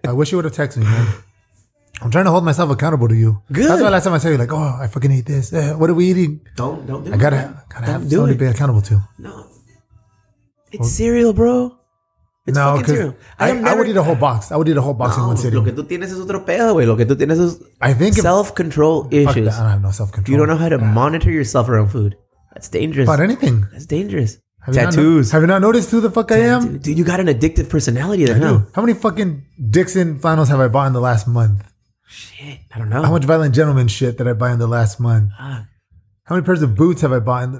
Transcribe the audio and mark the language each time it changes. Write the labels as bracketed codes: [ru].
[en] I wish you would have texted me, man. I'm trying to hold myself accountable to you. Good. That's why last time I said, you're like, oh, I fucking ate this. What are we eating? Don't do it. I gotta have someone to be accountable to. No. It's cereal, bro. It's fucking cereal. I would eat a whole box. I would eat a whole box in one sitting. [es] Lo que tú tienes es otro pedo, güey. Lo que tú tienes es [en] self-control issues. I don't have no self-control. You don't know how to monitor yourself around food. That's dangerous. About anything. That's dangerous. Tattoos. Have you not noticed who the fuck I am? Dude, you got an addictive personality. I do. How many fucking Dixon flannels have I bought in the last month? Shit, I don't know. How much Violent Gentleman shit did I buy in the last month? How many pairs of boots have I bought?